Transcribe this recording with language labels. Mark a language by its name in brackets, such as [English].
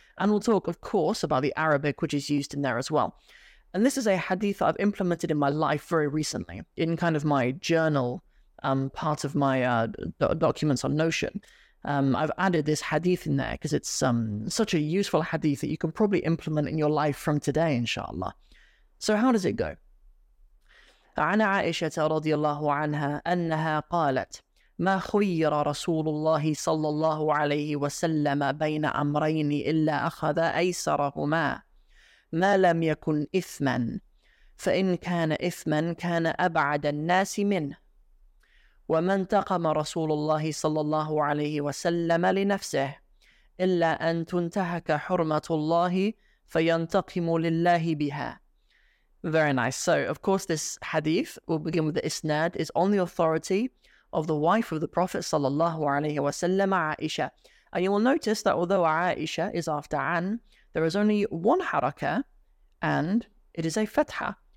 [English] And we'll talk, of course, about the Arabic, which is used in there as well. And this is a hadith I've implemented in my life very recently, in kind of my journal, part of my documents on Notion. I've added this hadith in there because it's such a useful hadith that you can probably implement in your life from today, inshallah. So how does it go? [Arabic] عن عائشة رضي الله عنها أنها قالت ما خير رسول الله صلى الله عليه وسلم بين أمرين إلا أخذ أيسرهما ما لم يكن إثما فإن كان إثما كان أبعد الناس منه وما انتقم رسول الله صلى الله عليه وسلم لنفسه إلا أن تنتهك حرمة الله فينتقم لله بها. [English] Very nice. So of course this hadith, we'll begin with the isnad, is on the authority of the wife of the Prophet sallallahu alaihi wasallam, Aisha. And you will notice that although Aisha is after an, there is only one haraka and it is a fatha.